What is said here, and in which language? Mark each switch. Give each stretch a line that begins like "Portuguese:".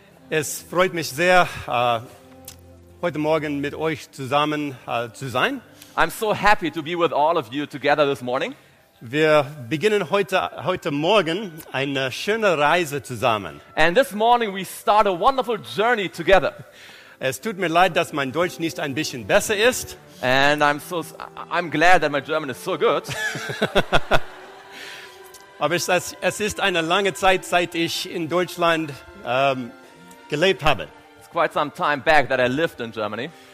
German: Es freut mich sehr, heute Morgen mit euch zusammen zu sein.
English: I'm so happy to be with all of you together this morning.
German: Wir beginnen heute Morgen eine schöne Reise zusammen.
English: And this morning we start a wonderful journey together.
German: Es tut mir leid, dass mein Deutsch nicht ein bisschen besser ist.
English: And I'm glad that my German is so good.
German: Aber es ist eine lange Zeit, seit ich in Deutschland gelebt habe.
English: It's quite some time back that I lived in Germany.